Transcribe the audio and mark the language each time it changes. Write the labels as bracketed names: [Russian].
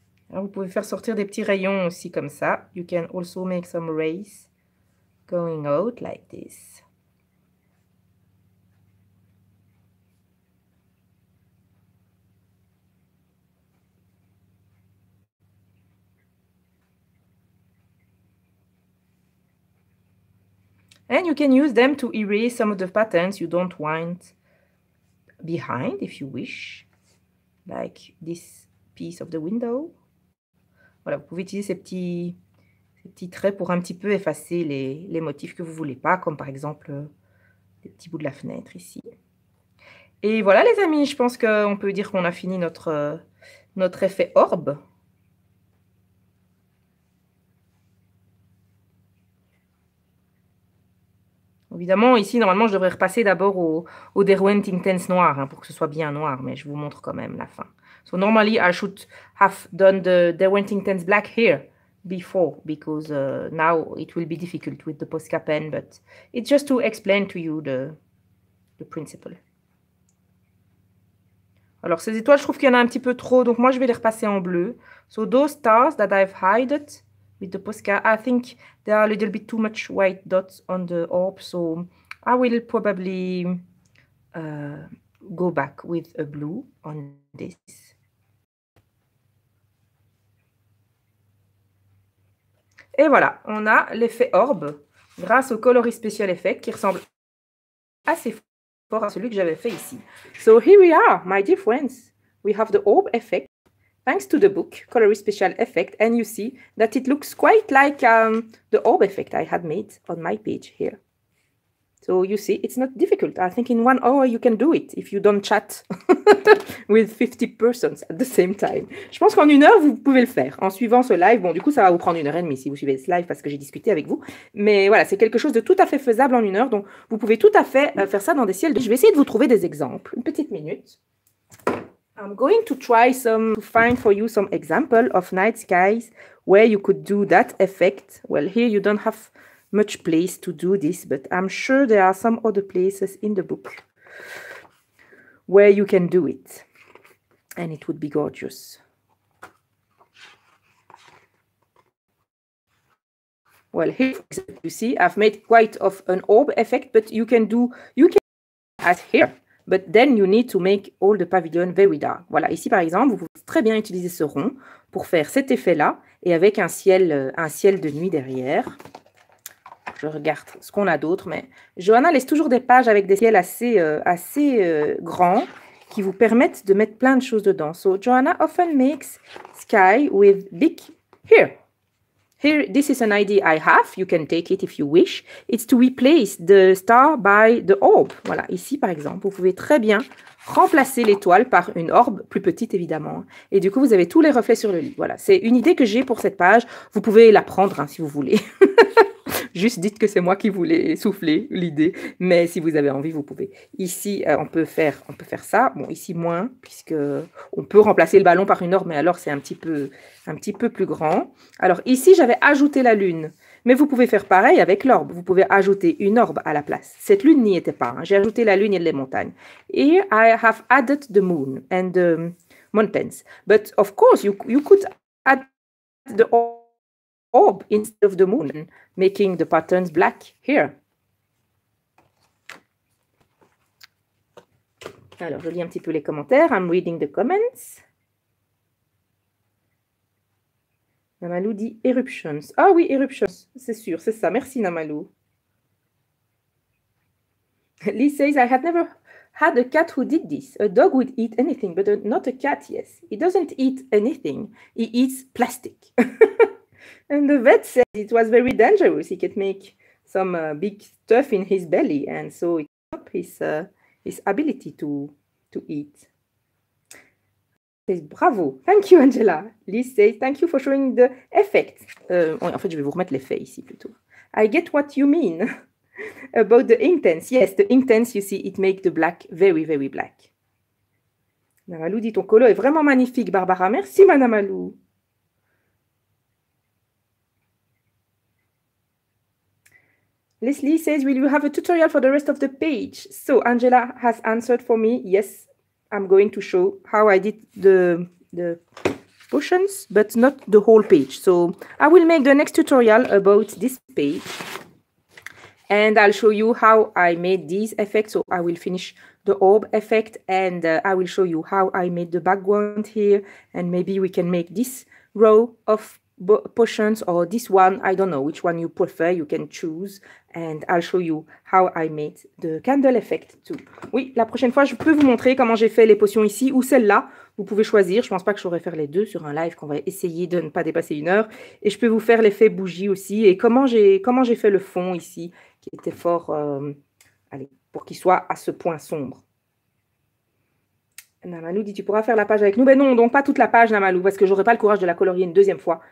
[French] Alors, vous pouvez faire sortir des petits rayons aussi comme ça. [English] You can also make some rays going out like this. And you can use them to erase some of the patterns you don't want behind, if you wish, like this piece of the window. [French] Voilà, vous pouvez utiliser ces petits traits pour un petit peu effacer les motifs que vous ne voulez pas, comme par exemple les petits bouts de la fenêtre ici. Et voilà les amis, je pense qu'on peut dire qu'on a fini notre effet orbe. Évidemment, ici, normalement, je devrais repasser d'abord au Derwent Intense noir, hein, pour que ce soit bien noir, mais je vous montre quand même la fin. [English] So, normally, I should have done the Derwent Intense black here before, because now it will be difficult with the Posca pen, but it's just to explain to you the principle. [French] Alors, ces étoiles, je trouve qu'il y en a un petit peu trop, donc moi, je vais les repasser en bleu. [English] So, those stars that I've hided with the Posca, I think there are a little bit too much white dots on the orb, so I will probably go back with a blue on this. [French] Et voilà, on a l'effet orbe grâce au coloris spécial effet qui ressemble assez fort à celui que j'avais fait ici. [English] So here we are, my dear friends. We have the orb effect. Thanks to the book, Coloris Special Effect, and you see that it looks quite like the orb effect I had made on my page here. So you see, it's not difficult. I think in 1 hour you can do it if you don't chat with 50 persons at the same time. [French] Je pense qu'en 1 heure, vous pouvez le faire en suivant ce live. Bon, du coup, ça va vous prendre 1 heure et demie si vous suivez ce live parce que j'ai discuté avec vous. Mais voilà, c'est quelque chose de tout à fait faisable en 1 heure. Donc, vous pouvez tout à fait faire ça dans des ciels. Je vais essayer de vous trouver des exemples. Une petite minute. [English] I'm going to try some to find for you some example of night skies where you could do that effect. Well, here you don't have much place to do this, but I'm sure there are some other places in the book where you can do it. And it would be gorgeous. Well, here for example, you see, I've made quite of an orb effect, but you can as here. But then you need to make all the pavilion very dark. [French] Voilà, ici par exemple, vous pouvez très bien utiliser ce rond pour faire cet effet-là et avec un ciel de nuit derrière. Je regarde ce qu'on a d'autre, mais Johanna laisse toujours des pages avec des ciels assez grands qui vous permettent de mettre plein de choses dedans. [English] So Johanna often makes sky with big here. Here, this is an idea I have. You can take it if you wish. It's to replace the star by the orb. [French] Voilà, ici, par exemple, vous pouvez très bien remplacer l'étoile par une orbe plus petite, évidemment. Et du coup, vous avez tous les reflets sur le lit. Voilà, c'est une idée que j'ai pour cette page. Vous pouvez la prendre, hein, si vous voulez. Juste dites que c'est moi qui voulais souffler l'idée. Mais si vous avez envie, vous pouvez. Ici, on peut faire ça. Bon, ici, moins, puisque on peut remplacer le ballon par une orbe. Mais alors, c'est un petit peu plus grand. Alors, ici, j'avais ajouté la lune. Mais vous pouvez faire pareil avec l'orbe. Vous pouvez ajouter une orbe à la place. Cette lune n'y était pas. Hein. J'ai ajouté la lune et les montagnes. [English] Here, I have added the moon and the mountains. But, of course, you could add the orb instead of the moon, making the patterns black here. [French] Alors, je lis un petit peu les commentaires. [English] I'm reading the comments. [French] Namalou dit eruptions. Ah oui, eruptions, c'est sûr, c'est ça. Merci, Namalou. [English] Lee says, I had never had a cat who did this. A dog would eat anything, but not a cat, yes. He doesn't eat anything. He eats plastic. And the vet said it was very dangerous. He could make some big stuff in his belly. And so it stopped his ability to eat. Bravo. Thank you, Angela. Liz says, thank you for showing the effect. [French] En fait, je vais vous remettre l'effet ici plutôt. [English] I get what you mean about the intense. Yes, the intense, you see, it makes the black very, very black. [French] Namalou dit, ton colo est vraiment magnifique, Barbara. Merci, Madame Alou. [English] Leslie says, will you have a tutorial for the rest of the page? So, Angela has answered for me, yes, I'm going to show how I did the oceans, but not the whole page. So I will make the next tutorial about this page. And I'll show you how I made these effects. So I will finish the orb effect and I will show you how I made the background here. And maybe we can make this row of potions or this one. I don't know which one you prefer. You can choose. And I'll show you how I made the candle effect too. [French] Oui, la prochaine fois, je peux vous montrer comment j'ai fait les potions ici ou celle-là. Vous pouvez choisir. Je pense pas que j'aurais fait les deux sur un live qu'on va essayer de ne pas dépasser une heure. Et je peux vous faire l'effet bougie aussi. Et comment j'ai fait le fond ici qui était fort... allez, pour qu'il soit à ce point sombre. Namalou dit, tu pourras faire la page avec nous. Ben non, donc pas toute la page, Namalou, parce que j'aurais pas le courage de la colorier une deuxième fois.